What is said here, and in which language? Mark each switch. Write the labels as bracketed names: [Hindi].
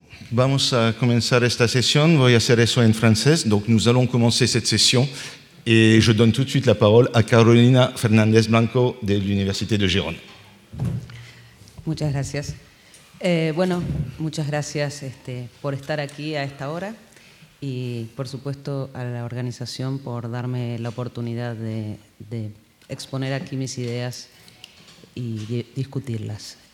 [Spanish] Vamos a comenzar esta sesión. Voy a hacer eso en francés. [French] Donc, nous allons commencer cette session. Et je donne tout de suite la parole à Carolina Fernández Blanco de l'Université de Gironde. [Spanish] Muchas gracias. Bueno, muchas gracias por estar aquí a esta hora. Y, por supuesto, a la organización por darme la oportunidad de exponer aquí mis ideas y discutirlas.